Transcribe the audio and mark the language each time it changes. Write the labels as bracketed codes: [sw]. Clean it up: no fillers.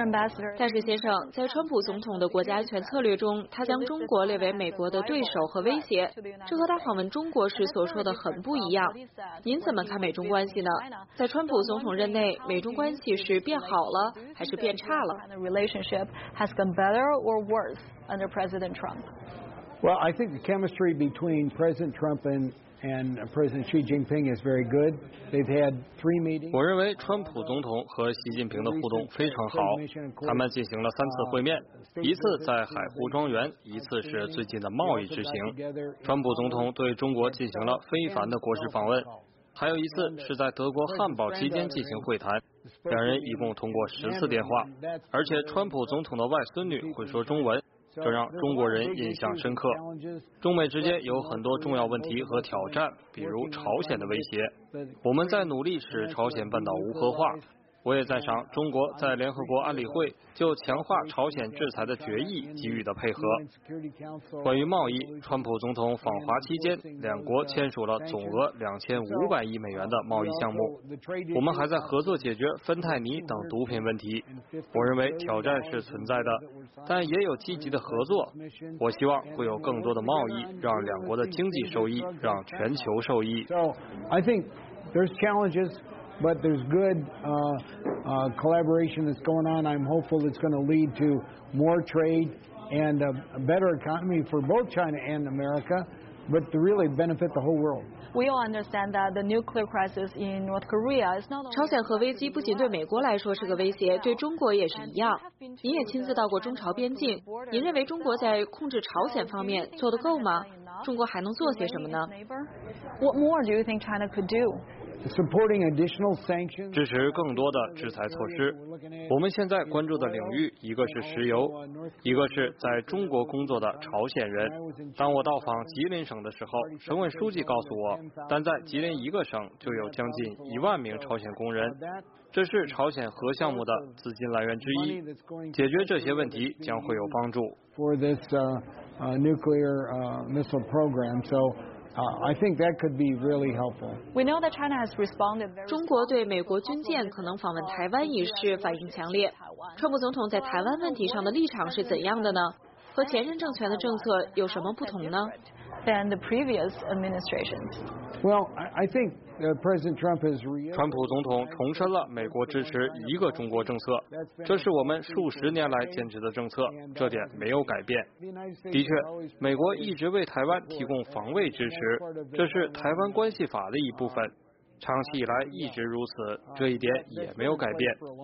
[zh] Ambassador， 大使先生，在川普总统的国家安全策略中，他将中国列为美国的对手和威胁，这和他访问中国时所说的很不一样。您怎么看美中关系呢？在川普总统任内，美中关系是变好了还是变差了 [en] ？Relationship has gone better or worse under President Trump? Well, I think the chemistry between President Trump and President Xi Jinping is very good. They've had three meetings. [zh] 我认为川普总统和习近平的互动非常好，他们进行了三次会面，一次在海湖庄园，一次是最近的贸易之行。川普总统对中国进行了非凡的国事访问，还有一次是在德国汉堡期间进行会谈，两人一共通过14电话，而且川普总统的外孙女会说中文，这让中国人印象深刻。中美之间有很多重要问题和挑战，比如朝鲜的威胁，我们在努力使朝鲜半岛无核化。我也赞赏中国在联合国安理会就强化朝鲜制裁的决议给予的配合。关于贸易，川普总统访华期间，两国签署了总额2500亿美元的贸易项目。我们还在合作解决芬太尼等毒品问题。我认为挑战是存在的，但也有积极的合作。我希望会有更多的贸易，让两国的经济受益，让全球受益。 [en] I think there's challenges. But there's good collaboration that's going on. I'm hopeful it's going to lead to more trade and a better economy for both China and America, but to really benefit the whole world. We all understand that the nuclear crisis in North Korea is not. [zh] 朝鲜核危机不仅对美国来说是个威胁，对中国也是一样。您也亲自到过中朝边境，您认为中国在控制朝鲜方面做得够吗？中国还能做些什么呢 [en] ？What more do you think China could do? Supporting additional sanctions. [zh] 支持更多的制裁措施。我们现在关注的领域，一个是石油，一个是在中国工作的朝鲜人。当我到访吉林省的时候，省委书记告诉我，单在吉林一个省就有将近10000名朝鲜工人。这是朝鲜核项目的资金来源之一。解决这些问题将会有帮助。 [en] For this nuclear missile program, so. I think that could be really helpful. We know that China has responded. [zh] 中国对美国军舰可能访问台湾一事反应强烈。川普总统在台湾问题上的立场是怎样的呢？和前任政权的政策有什么不同呢 [en] ？Than the previous administrations. Well, I think President Trump has. [zh] 川普总统重申了美国支持一个中国政策，这是我们数十年来坚持的政策，这点没有改变。的确，美国一直为台湾提供防卫支持，这是台湾关系法的一部分，长期以来一直如此，这一点也没有改变。